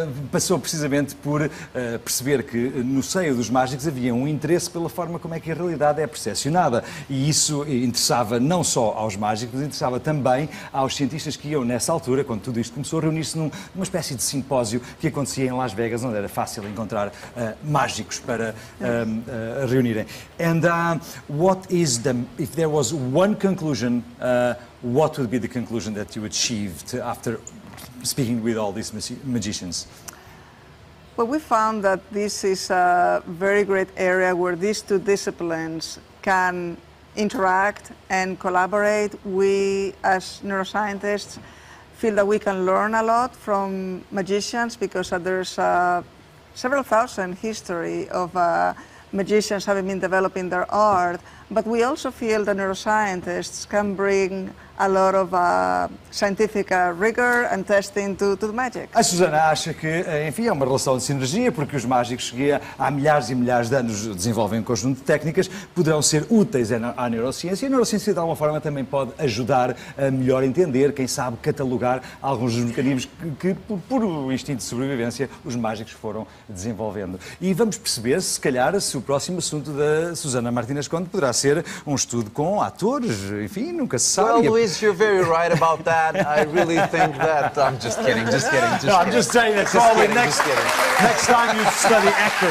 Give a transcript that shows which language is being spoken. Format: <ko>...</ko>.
<pt>Passou precisamente por perceber que no seio dos mágicos havia um interesse pela forma como é que a realidade é percepcionada. E isso interessava não só aos mágicos, mas interessava também aos cientistas que iam nessa altura, quando tudo isto começou, a reunir-se numa espécie de simpósio que acontecia em Las Vegas, onde era fácil encontrar mágicos para reunirem.</pt> <en>And what is the, if there was one conclusion, what would be the conclusion that you achieved after speaking with all these magicians? Well, we found that this is a very great area where these two disciplines can interact and collaborate. We, as neuroscientists, feel that we can learn a lot from magicians because there's several thousand history of magicians having been developing their art. But we also feel that neuroscientists can bring a lot of scientific rigor and testing to the magic.</en> <pt>A Susana acha que, enfim, é uma relação de sinergia, porque os mágicos que há milhares e milhares de anos desenvolvem um conjunto de técnicas, poderão ser úteis à neurociência, e a neurociência, de alguma forma, também pode ajudar a melhor entender, quem sabe, catalogar alguns dos mecanismos que por instinto de sobrevivência, os mágicos foram desenvolvendo. E vamos perceber, se calhar, se o próximo assunto da Susana Martínez Conde poderá ser um estudo com atores, enfim, nunca se sabe.</pt> <en>Well, Luis, you're very right about that. I really think that. I'm just kidding, just kidding. Just no, kidding. I'm just saying that, Colin, next time you study actors.</en>